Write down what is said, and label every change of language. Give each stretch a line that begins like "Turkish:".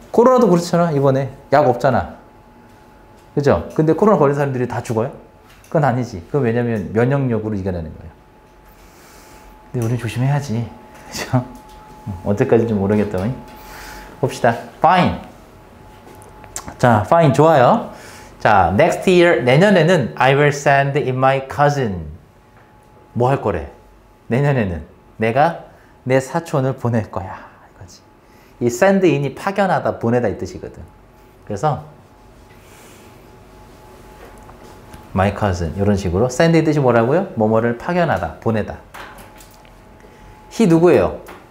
Korean: 코로나도 그렇잖아, 이번에. 약 없잖아. 그죠? 근데 코로나 걸린 사람들이 다 죽어요? 그건 아니지. 그건 왜냐면 면역력으로 이겨내는 거예요. 근데 우린 조심해야지. 그죠? 언제까지인지 모르겠더니. 봅시다. Fine. 자, fine. 좋아요.
English: 자, next year,
Korean: 내년에는
English: I will send in my cousin.
Korean: 뭐 할 거래? 내년에는 내가 내 사촌을 보낼 거야. 이거지. 이 send in이 파견하다, 보내다 이 뜻이거든. 그래서 my cousin 이런 식으로 send의 뜻이 뭐라고요? 뭐뭐를 파견하다, 보내다. he 누구예요?